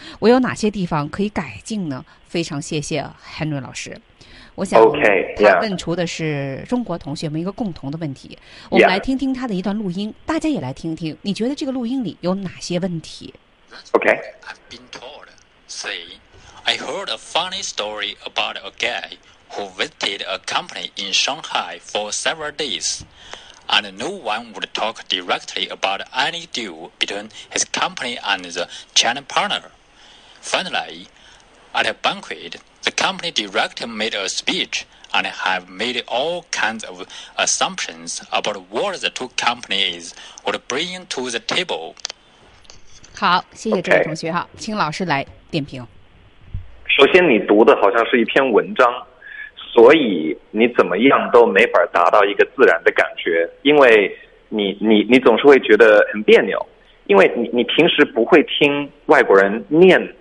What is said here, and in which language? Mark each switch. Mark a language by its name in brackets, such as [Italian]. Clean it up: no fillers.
[Chinese] 我有哪些地方可以改进呢？非常谢谢 Henry 老师。我想他问出的是中国同学们一个共同的问题，我们来听听他的一段录音，大家也来听听，你觉得这个录音里有哪些问题？OK， [English] I've been told say. I heard a funny story about a guy who visited a company in Shanghai for several days, and no one would talk directly about any deal between his company and the China partner. Finally, at a banquet, the company director made a speech and have made all kinds of assumptions about what the two companies would bring to the table. [Chinese] 好，谢谢这位同学哈，请老师来点评。首先你读的好像是一篇文章，所以你怎么样都没法达到一个自然的感觉，因为你总是会觉得很别扭，因为你平时不会听外国人念